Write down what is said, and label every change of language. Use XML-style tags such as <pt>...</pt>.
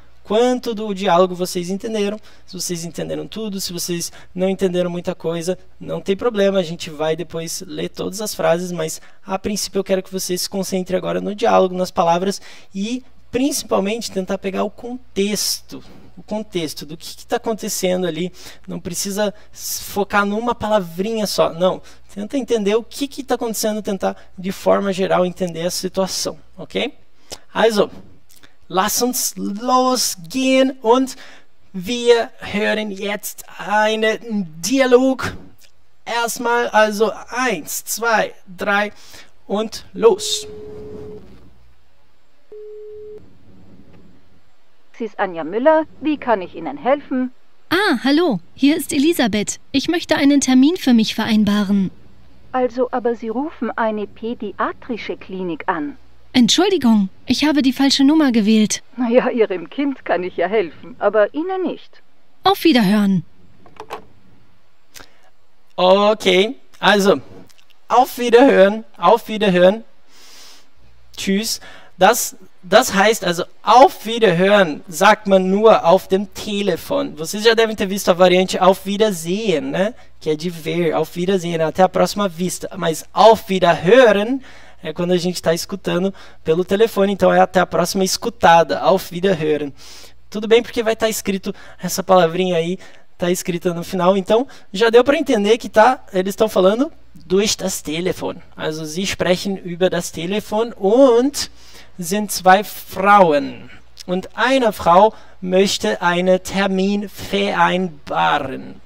<pt>quanto do diálogo vocês entenderam, se vocês entenderam tudo, se vocês não entenderam muita coisa, não tem problema, a gente vai depois ler todas as frases, mas a princípio eu quero que vocês se concentrem agora no diálogo, nas palavras e principalmente tentar pegar o contexto do que está acontecendo ali. Não precisa focar numa palavrinha só, não. Tenta entender o que está acontecendo, tentar de forma geral entender a situação, ok?</pt> <de>Also, lass uns losgehen und wir hören jetzt einen Dialog. Erstmal, also 1, 2, 3 und los. Sie ist Anja Müller. Wie kann ich Ihnen helfen? Ah, hallo, hier ist Elisabeth. Ich möchte einen Termin für mich vereinbaren. Also, aber Sie rufen eine pädiatrische Klinik an. Entschuldigung, ich habe die falsche Nummer gewählt. Naja, Ihrem Kind kann ich ja helfen, aber Ihnen nicht. Auf Wiederhören. Okay, also, auf Wiederhören, auf Wiederhören. Tschüss. Das heißt also, auf Wiederhören sagt man nur auf dem Telefon.</de> <pt>Vocês já devem ter visto a variante</pt> <de>auf Wiedersehen,</de> <pt>né? Que é de ver, auf Wiedersehen, até a próxima vista. Mas</pt> <de>auf Wiederhören</de> <pt>é quando a gente está escutando pelo telefone, então é até a próxima escutada, auf Wiederhören. Tudo bem porque vai estar escrito essa palavrinha aí, está escrita no final, então já deu para entender que tá, eles estão falando</pt> <de>durch das Telefon. Also sie sprechen über das Telefon und sind zwei Frauen. Und eine Frau möchte einen Termin vereinbaren.</de>